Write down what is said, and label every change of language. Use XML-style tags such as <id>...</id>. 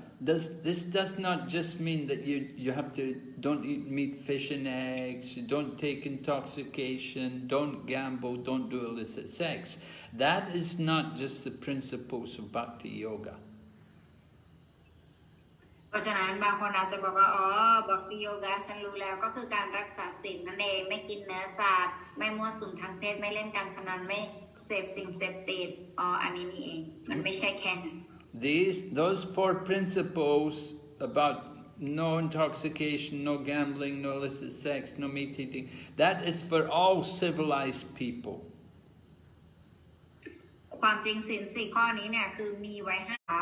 <en>this does not just mean that you have to don't eat meat, fish, and eggs, you don't take intoxication, don't gamble, don't do illicit sex. That is not just the principles of bhakti yoga.</en> <th>เพราะฉะนั้นบางคนอาจจะบอกว่าอ๋อบอกพี่โยคะฉันรู้แล้วก็คือการรักษาศีลนั่นเองไม่กินเนื้อสัตว์ไม่มั่วสุมทางเพศไม่เล่นการพนันไม่เสพสิ่งเสพติดอ๋ออันนี้นี่เองมันไม่ใช่แค่</th> <en>those four principles about no intoxication, no gambling, no illicit sex, no meat eating, that is for all civilized people.</en> <th>ความจริงศีลสี่ข้อนี้เนี่ยคือมีไว้ให้</th>